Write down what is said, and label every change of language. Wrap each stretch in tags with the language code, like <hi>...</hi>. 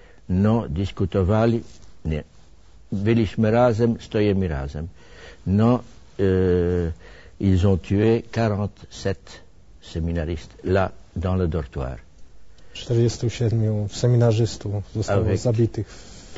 <pl>No, dyskutowali, nie. Byliśmy razem, stoimy razem.</pl> <fr>No, ils ont tué 47 seminaristów là, dans le dortoir.</fr> <pl>47 seminarzystów zostało zabitych.</pl>